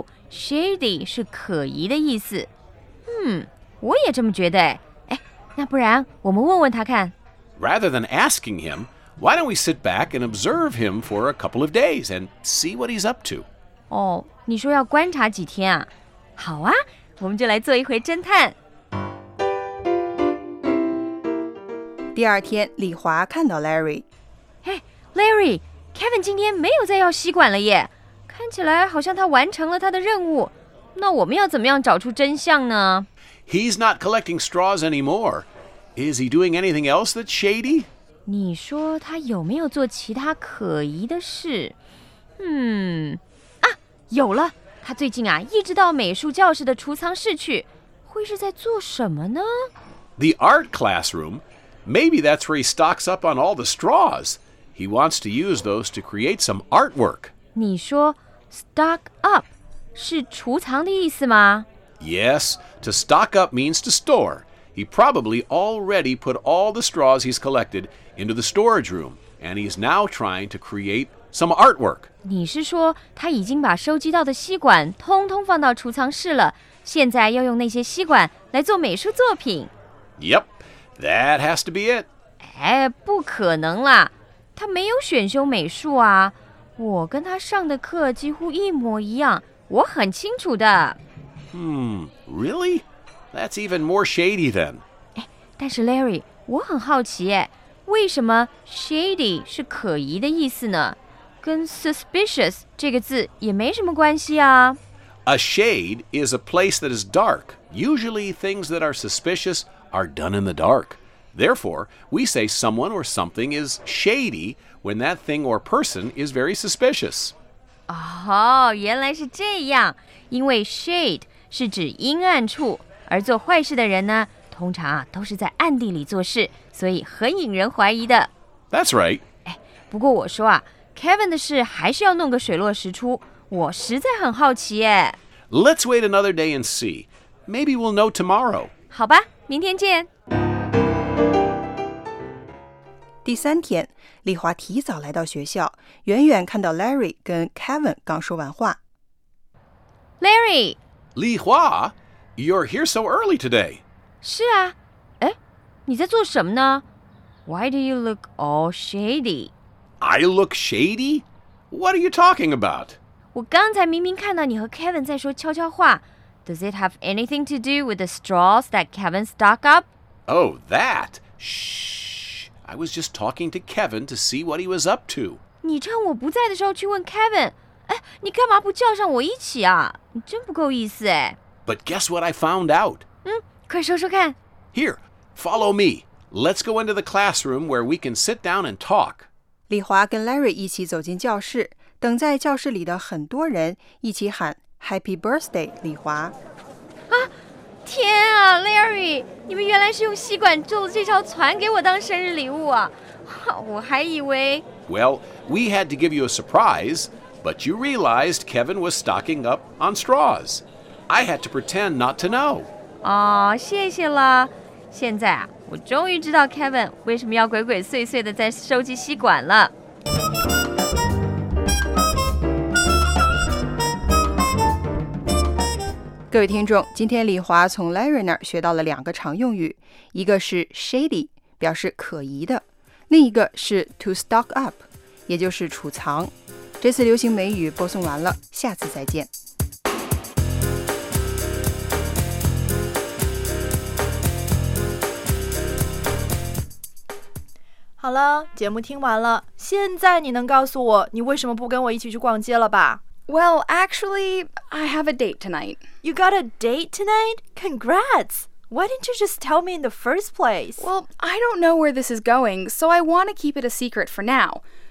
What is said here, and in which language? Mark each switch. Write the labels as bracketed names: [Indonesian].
[Chinese] Shady 是可疑的意思。我也这么觉得。哎，那不然我们问问他看。 [English] Rather than asking him, why don't we sit back and observe him for a couple of days and see what he's up to? [Chinese] 哦，你说要观察几天啊？好啊，我们就来做一回侦探。第二天，李华看到 Larry。哎 ，Larry， Kevin 今天没有再要吸管了耶。看起来好像他完成了他的任务，那我们要怎么样找出真相呢？ [English] He's not collecting straws anymore. Is he doing anything else that's shady? [Chinese] 你说他有没有做其他可疑的事？有了，他最近啊一直到美术教室的储藏室去，会是在做什么呢？ [English] The art classroom. Maybe that's where he stocks up on all the straws. He wants to use those to create some artwork. [Chinese] 你说 stock up 是储藏的意思吗？ [English] Yes, to stock up means to store. He probably already put all the straws he's collected into the storage room, and he's now trying to create some artwork. [Chinese] 你是说他已经把收集到的吸管通通放到储藏室了，现在要用那些吸管来做美术作品？ [English] Yep, that has to be it. [Chinese] 哎，不可能啦，他没有选修美术啊，我跟他上的课几乎一模一样，我很清楚的。 [English] Really? That's even more shady then. [Chinese] 哎，但是 Larry, 我很好奇耶，为什么 shady 是可疑的意思呢？跟 suspicious 这个字也没什么关系啊。 [English] A shade is a place that is dark. Usually things that are suspicious are done in the dark. Therefore, we say someone or something is shady when that thing or person is very suspicious. [Chinese] 哦，原来是这样。因为 shade 是指阴暗处，而做坏事的人呢，通常啊，都是在暗地里做事，所以很引人怀疑的。 [English] That's right. [Chinese] 哎，不过我说啊， Kevin 的事还是要弄个水落石出。我实在很好奇耶。 [English] Let's wait another day and see. Maybe we'll know tomorrow. [Chinese] 好吧，明天见。第三天，丽华提早来到学校，远远看到 Larry 跟 Kevin 刚说完话。 [English] Larry! 丽华， you're here so early today. [Chinese] 是啊，哎，你在做什么呢？ [English] Why do you look all shady? I look shady? What are you talking about? [Chinese] 我刚才明明看到你和 Kevin 在说悄悄话。 [English] Does it have anything to do with the straws that Kevin stuck up? Oh, that? Shh. I was just talking to Kevin to see what he was up to. [Chinese] 你趁我不在的时候去问 Kevin? 哎，你干嘛不叫上我一起啊？你真不够意思哎。 [English] But guess what I found out? [Chinese] 嗯，快说说看。 [English] Here, follow me. Let's go into the classroom where we can sit down and talk. [Chinese] 李华跟 Larry 一起走进教室。等在教室里的很多人一起喊 [English] Happy Birthday, [Chinese] 李华。啊，天啊 ，Larry， 你们原来是用吸管做的这条船给我当生日礼物啊！我还以为。 [English] Well, we had to give you a surprise, but you realized Kevin was stocking up on straws. I had to pretend not to know. [Chinese] 哦，谢谢啦。现在啊，我终于知道 Kevin 为什么要鬼鬼祟祟的在收集吸管了。各位听众，今天李华从 Larry 那儿学到了两个常用语，一个是 shady， 表示可疑的，另一个是 to stock up， 也就是储藏。这次流行美语播送完了，下次再见。好了，节目听完了，现在你能告诉我你为什么不跟我一起去逛街了吧？ [English] Well, actually, I have a date tonight. You got a date tonight? Congrats! Why didn't you just tell me in the first place? Well, I don't know where this is going, so I want to keep it a secret for now.